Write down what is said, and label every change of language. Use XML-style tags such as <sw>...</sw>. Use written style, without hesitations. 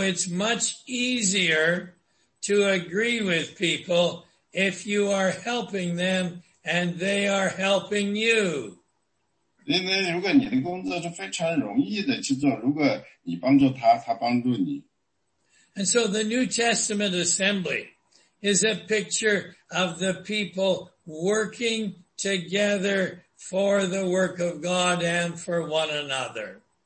<en>it's much easier to agree with people if you are helping them and they are helping you.</en> <zh>因为如果你的工作是非常容易的去做，如果你帮助他，他帮助你。</zh> <en>And so the New Testament assembly is a picture of the people working together for the work of God and for one another.</en>